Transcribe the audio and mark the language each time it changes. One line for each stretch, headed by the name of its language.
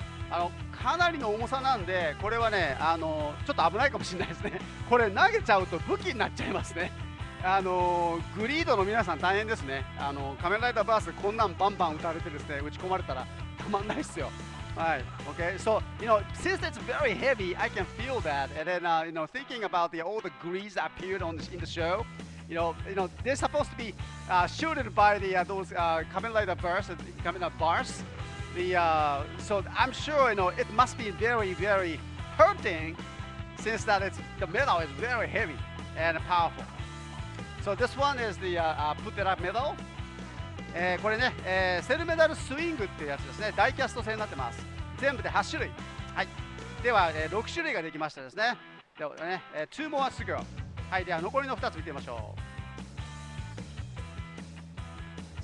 Japanese: あのかなりの重さなんでこれはね、あのちょっと危ないかもしれないですね。これ投げちゃうと武器になっちゃいますね。グリードの皆さん大変ですね。仮面ライダーバースこんなんバンバン撃たれてですね、打ち込まれたらたまんないっすよ。はい、okay.
English: So, you know, since it's very heavy, I can feel that. And then, you know, thinking about the, all the grease that appeared on the, in the show, you know, they're supposed to be shooted by the, those 仮面ライダーバース, the 仮面ライダーバース. So I'm sure, you know, it must be very, very hurting since that it's, the metal is very heavy and powerful. So this one is the Putera Medal.
Japanese: これね、セルメダルスイングってやつですね。ダイキャスト製になってます。全部で8種類。はい。では、6種類ができましたですね。ではね、
English: 2 more to go。
Japanese: はい、では残りの2つ見てみましょう。